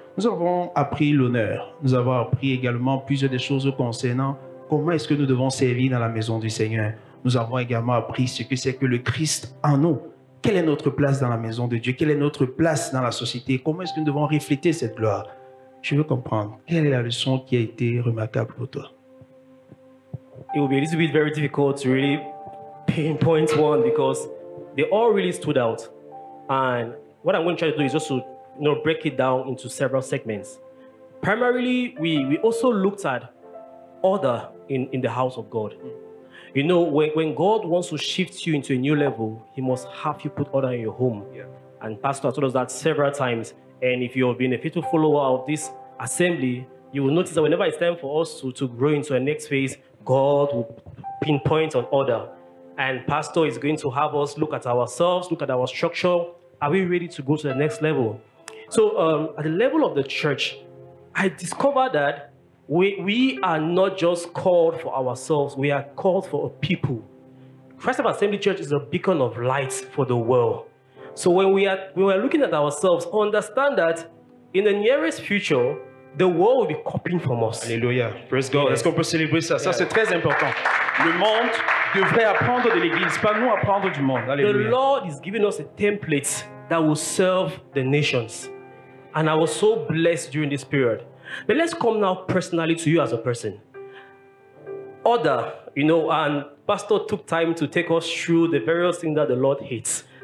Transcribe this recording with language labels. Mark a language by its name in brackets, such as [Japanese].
[French] Nous avons appris l'honneur. Nous avons appris également plusieurs des choses concernant comment est-ce que nous devons servir dans la maison du Seigneur. Nous avons également appris ce que c'est que le Christ en nous. Quelle est notre place dans la maison de Dieu? Quelle est notre place dans la société? Comment est-ce que nous devons refléter cette gloire? Je veux comprendre. Quelle est la leçon qui a été remarquable pour toi? [English] It will be a little bit very difficult to really pinpoint one because they all really stood out. And what I'm going to try to do is just to, you know, break it down into several segments. Primarily, we also looked at order in the house of God. You know, when God wants to shift you into a new level, He must have you put order in your home. Yeah. And Pastor told us that several times. And if you have been a faithful follower of this assembly, you will notice that whenever it's time for us to grow into a next phase, God will pinpoint on order. And Pastor is going to have us look at ourselves, look at our structure. Are we ready to go to the next level? So at the level of the church, I discovered that we are not just called for ourselves. We are called for a people. Christ of Assembly Church is a beacon of light for the world. So when we are looking at ourselves, understand that in the nearest future, the world will be copying from us. Alléluia. Praise God. [French] Yes. Est-ce qu'on peut célébrer ça? Yeah. Ça, c'est très important. Le monde devrait apprendre de l'Église, pas nous apprendre du monde. Alléluia. [English] The Lord is giving us a template that will serve the nations. And I was so blessed during this period. But let's come now personally to you as a person. Order, you know, and Pastor took time to take us through the various things that the Lord hates.